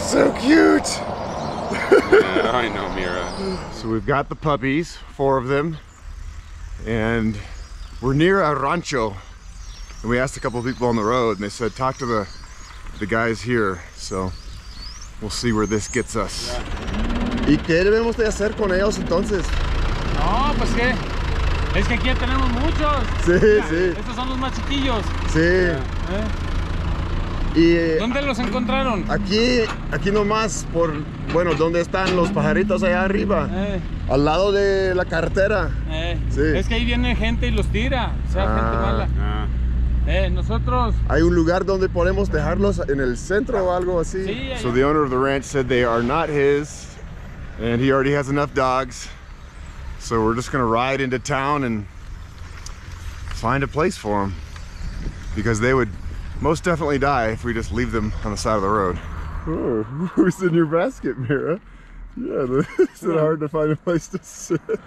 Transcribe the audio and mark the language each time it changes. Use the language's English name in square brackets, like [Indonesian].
[English] So cute. Yeah, I know, Mira. So we've got the puppies, four of them. And we're near a rancho. And we asked a couple of people on the road, and they said, talk to the guys here. So we'll see where this gets us. [Spanish] ¿Y qué debemos de hacer con ellos entonces? No, pues que es que aquí tenemos muchos. Sí, sí. Estos son los más chiquillos. Sí. ¿Y dónde los encontraron? Aquí nomás por, bueno, ¿dónde están los pajaritos allá arriba? Al lado de la carretera. Sí. Es que ahí viene gente y los tira, o sea, gente mala. Hay un lugar donde podemos dejarlos en el centro o algo así. Sí, [English] so the owner of the ranch said they are not his and he already has enough dogs. So we're just going to ride into town and find a place for them because they would most definitely die if we just leave them on the side of the road. Oh, who's in your basket, Mira? Yeah, is it hard to find a place to sit?